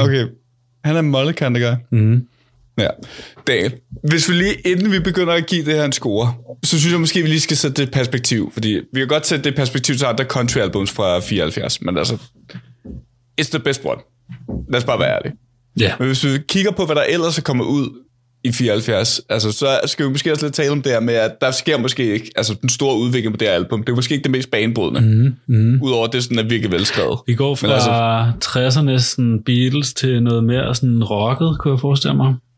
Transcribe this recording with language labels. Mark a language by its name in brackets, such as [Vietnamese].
[Danish] Okay, han er Mulligan, det gør. Ja, Daniel. Hvis vi lige, inden vi begynder at give det her en score, så synes jeg måske, vi lige skal sætte det perspektiv. Fordi vi kan godt sætte det perspektiv til andre country albums fra 74. [English] Men altså, it's the best one. [Danish] Lad os bare være ærlig. Ja. Yeah. Men hvis vi kigger på, hvad der ellers er kommet ud i 74, altså, så skal vi måske også lidt tale om det her med, at der sker måske ikke, altså, den store udvikling på det her album. Det er måske ikke det mest banebrydende, udover at det sådan er virkelig velskrevet. Vi går fra altså, 60'erne sådan Beatles til noget mere sådan rocket, kunne jeg forestille mig.